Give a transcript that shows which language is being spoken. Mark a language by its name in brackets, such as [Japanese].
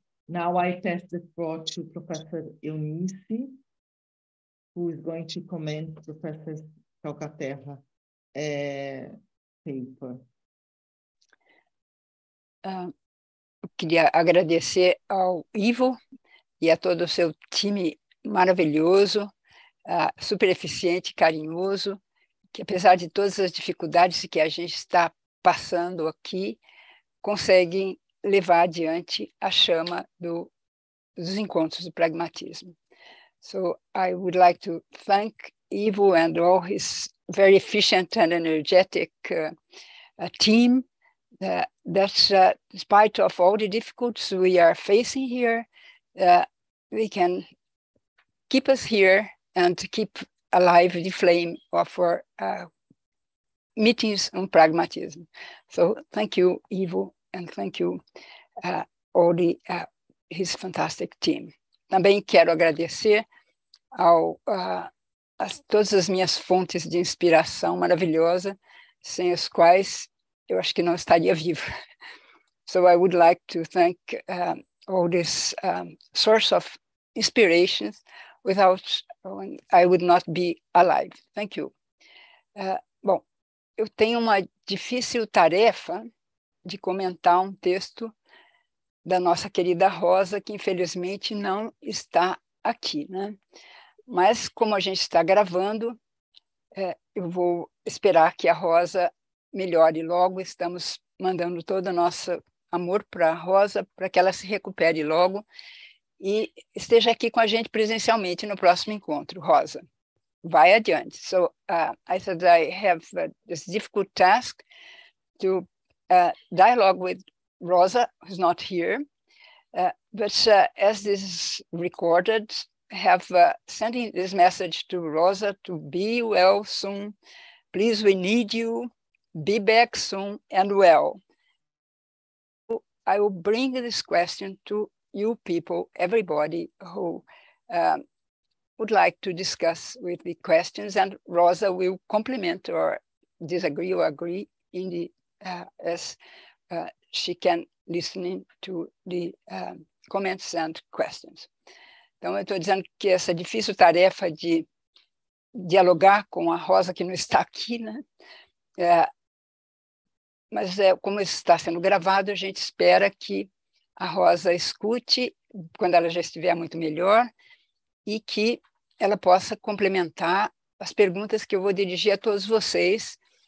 [English] Now I pass the floor to Professor Eunice, who is going to comment Professor Calcaterra paper. [Portuguese] Queria agradecer ao Ivo e a todo o seu time maravilhoso, super eficiente, carinhoso, que apesar de todas as dificuldades que a gente está passando aqui, conseguem levar adiante a chama dos encontros do pragmatismo. [English] So I would like to thank Ivo and all his very efficient and energetic team, that despite of all the difficulties we are facing here, we can keep us here and keep alive the flame of our meetings on pragmatism. So thank you, Ivo, and thank you, all the his fantastic team. [Portuguese] Também quero agradecer a todas as minhas fontes de inspiração maravilhosa, sem as quais eu acho que não estaria vivo. [English] So I would like to thank all these source of inspirations without, I would not be alive. Thank you. [Portuguese] Bom, eu tenho uma difícil tarefa de comentar um texto da nossa querida Rosa, que infelizmente não está aqui, né? Mas como a gente está gravando, eu vou esperar que a Rosa melhore logo, estamos mandando todo o nosso amor para a Rosa, para que ela se recupere logo e esteja aqui com a gente presencialmente no próximo encontro. Rosa, vai adiante. [English] So, I said I have this difficult task to dialogue with Rosa, who's not here, but as this is recorded, have sending this message to Rosa to be well soon. Please, we need you. Be back soon and well. I will bring this question to you people, everybody who would like to discuss with the questions, and Rosa will complement or disagree or agree in the as she can listening to the comments and questions. [Portuguese] Então, eu estou dizendo que essa difícil tarefa de dialogar com a Rosa, que não está aqui, né? Mas como isso está sendo gravado, a gente espera que a Rosa escute quando ela já estiver muito melhor e que ela possa complementar as perguntas que eu vou dirigir a todos vocês